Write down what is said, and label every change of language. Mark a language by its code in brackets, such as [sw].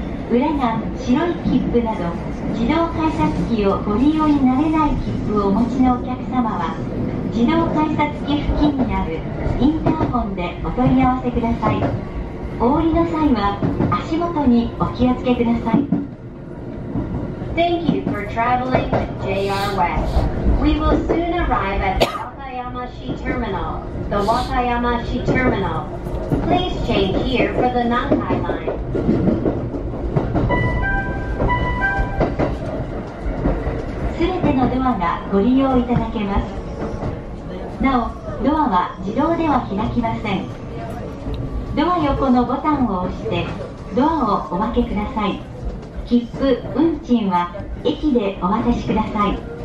[ja] 裏が白い切符など自動改札機をご利用になれない切符をお持ちのお客様は自動改札機付近にあるインターホンでお問い合わせください。お降りの際は足元にお気をつけください。 [en] Thank you for traveling with JR West. We will soon arrive at the Wakayamashi Terminal. The Wakayamashi Terminal. Please change here for the Nankai Line. [ja] ドアがご利用いただけます。なお、ドアは自動では開きません。ドア横のボタンを押してドアをお開けください。切符、運賃は駅でお渡しください。